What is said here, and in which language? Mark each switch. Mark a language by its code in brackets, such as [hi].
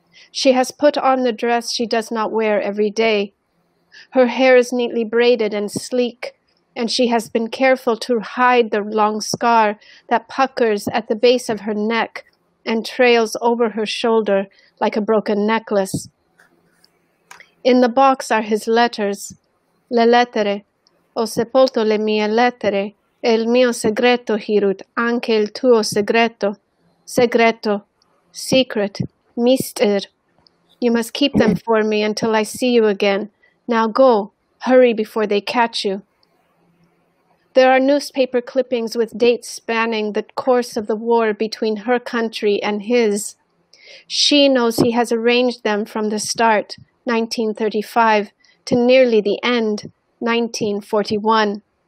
[en] She has put on the dress she does not wear every day. Her hair is neatly braided and sleek, and she has been careful to hide the long scar that puckers at the base of her neck and trails over her shoulder like a broken necklace. In the box are his letters, [it] le lettere, ho sepolto le mie lettere, e il mio segreto, Hirut, anche il tuo segreto, segreto, [en] secret, mister. You must keep them for me until I see you again. Now go, hurry before they catch you. There are newspaper clippings with dates spanning the course of the war between her country and his. She knows he has arranged them from the start, 1935, to nearly the end, 1941.